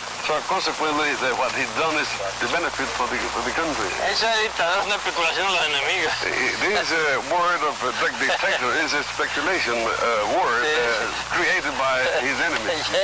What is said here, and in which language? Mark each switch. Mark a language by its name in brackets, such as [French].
[English] So consequently, the, what he's done is the benefit for the country. [Spanish] Esa dictadura es una especulación de los enemigos. [English] This word of dictator is a speculation word created by his enemies.